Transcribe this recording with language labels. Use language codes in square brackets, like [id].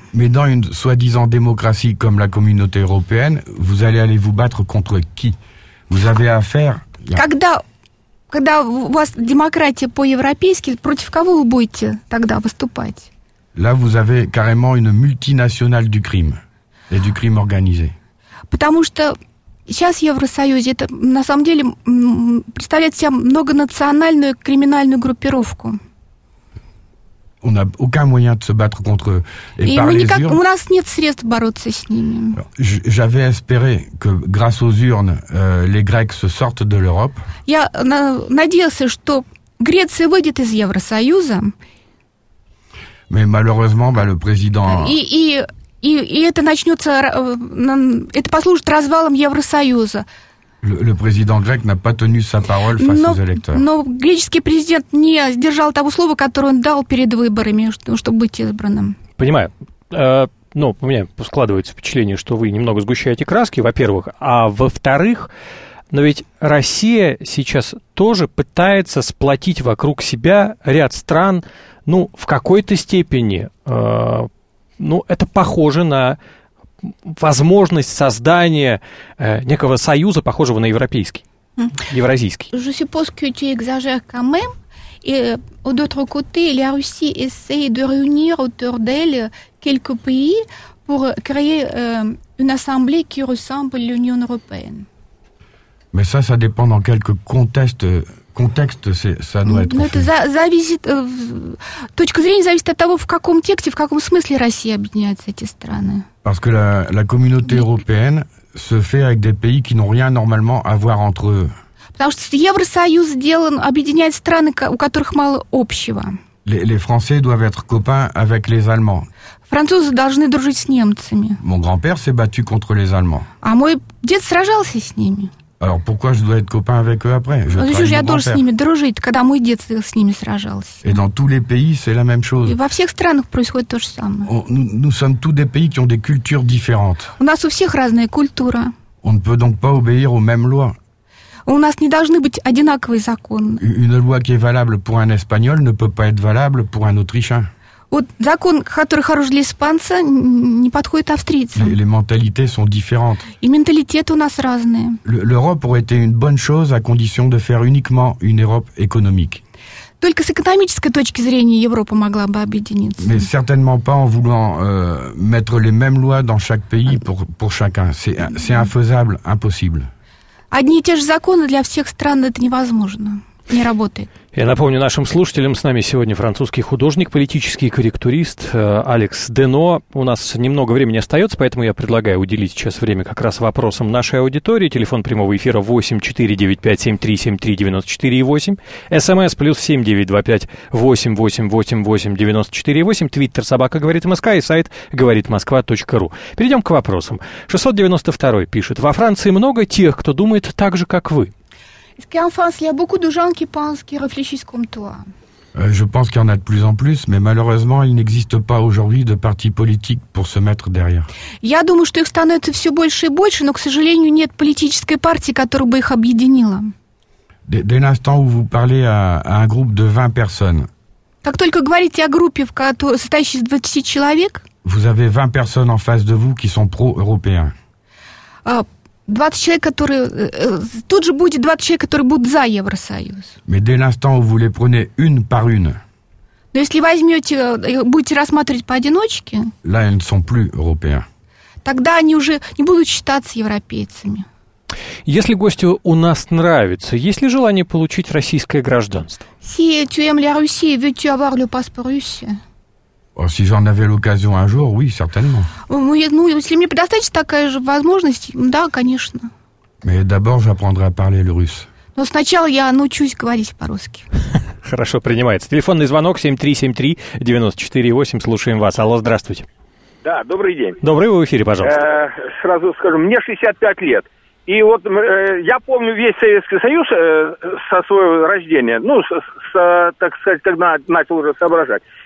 [fr] Mais dans une soi-disant démocratie comme la communauté européenne, vous allez aller vous battre contre qui? Vous avez affaire... [ru] Когда у вас демократия по-европейски, против кого вы будете тогда выступать? [fr] Là, vous avez carrément une multinationale du crime et du crime organisé. [ru] Потому что сейчас в Евросоюзе это на самом деле представляет себя многонациональную криминальную группировку. [fr] On n'a aucun moyen de se battre contre eux. [ru] У нас нет средств бороться с ними. [fr] J'avais espéré que grâce aux urnes, les Grecs se sortent de l'Europe. [ru] Я надеялся, что Греция выйдет из Евросоюза. [fr] Mais malheureusement, le président... [ru] И это начнется... Это послужит развалом Евросоюза. [fr] Le président grec n'a pas tenu sa parole face aux électeurs. [ru] Но греческий президент не сдержал того слова, которое он дал перед выборами, чтобы быть избранным. Понимаю. У меня складывается впечатление, что вы немного сгущаете краски, во-первых. А во-вторых, но ведь Россия сейчас тоже пытается сплотить вокруг себя ряд стран, в какой-то степени, это похоже на возможность создания некого союза, похожего на европейский, евразийский. [fr] Je suppose que tu exagères quand même. Et d'autre côté, la Russie essaie de réunir autour d'elle quelques pays pour créer une assemblée qui ressemble à l'Union européenne. Mais ça dépend dans quelques contextes. Контексте, ça doit être. [ru] Но это зависит. Точка зрения зависит от того, в каком тексте, в каком смысле Россия объединяет эти страны. [fr] Parce que la communauté européenne se fait avec des pays qui n'ont rien normalement à voir entre eux. [ru] Потому что Евросоюз сделан объединять страны, у которых мало общего. [fr] Les Français doivent être copains avec les Allemands. [ru] Французы должны дружить с немцами. [fr] Mon grand-père s'est battu contre les Allemands. [ru] А мой дед сражался с ними. [fr] Alors pourquoi je dois être copain avec eux après? [ru] Я должен с ними дружить, когда мой дед с ними сражался. [fr] Et dans tous les pays, c'est la même chose. [ru] И во всех странах происходит то же самое. [fr] Nous sommes tous des pays qui ont des cultures différentes. [ru] У нас у всех разная культура. [fr] On ne peut donc pas obéir aux mêmes lois. [ru] У нас не должны быть одинаковые законы. [fr] Une loi qui est valable pour un espagnol ne peut pas être valable pour un autrichien. [ru] Вот закон, который хорош для испанца, не подходит австрийцам. [fr] Les mentalités sont différentes. [ru] И менталитеты у нас разные. [fr] L'Europe aurait été une bonne chose à condition de faire uniquement une Europe économique. [ru] Только с экономической точки зрения Европа могла бы объединиться. [fr] Mais certainement pas en voulant mettre les mêmes lois dans chaque pays pour chacun. C'est infaisable, impossible. [ru] Одни и те же законы для всех стран – это невозможно. Не работает. Я напомню нашим слушателям, с нами сегодня французский художник, политический корректурист Алекс Дено. У нас немного времени остается, поэтому я предлагаю уделить сейчас время как раз вопросам нашей аудитории. Телефон прямого эфира 8495-7373-94,8. СМС плюс 7925-8888-94,8. Твиттер собака говорит МСК и сайт говоритмосква.ру. Перейдем к вопросам. 692-й пишет. Во Франции много тех, кто думает так же, как вы. [fr] Est-ce qu'en France, il y a beaucoup de gens qui pensent, qui réfléchissent comme toi? Je pense qu'il y en a de plus en plus, mais malheureusement, il n'existe pas aujourd'hui de parti politique pour se mettre derrière. [ru] Я думаю, что их становится все больше и больше, но, к сожалению, нет политической партии, которая бы их объединила. [fr] Dès l'instant où vous parlez à un groupe de 20 personnes, [ru] как только говорите о группе, состоящей из 20 человек, [fr] vous avez 20 personnes en face de vous qui sont pro-européens. [ru] 20 человек, которые... Тут же будет 20 человек, которые будут за Евросоюз. [fr] Mais dès l'instant où vous les prenez une par une. [ru] Но если возьмете, будете рассматривать поодиночке... [fr] Là, ils ne sont plus européens. [ru] Тогда они уже не будут считаться европейцами. Если гостю у нас нравится, есть ли желание получить российское гражданство? [fr] Si tu aimes la Russie, veux-tu avoir le passeport russe? Si j'en avais l'occasion un jour, oui, certainement. [ru] Если мне предоставить такая же возможность, да, конечно. [fr] Mais d'abord, j'apprendrai à parler le russe. [ru] Но сначала я научусь говорить по-русски. Хорошо, принимается. Телефонный звонок 7373-94,8. Слушаем вас. Алло, здравствуйте. Да, добрый день. Добрый, вы в эфире, пожалуйста. Сразу скажу, мне 65 лет. И вот я помню весь Советский Союз со своего рождения, так сказать, когда начал уже соображать.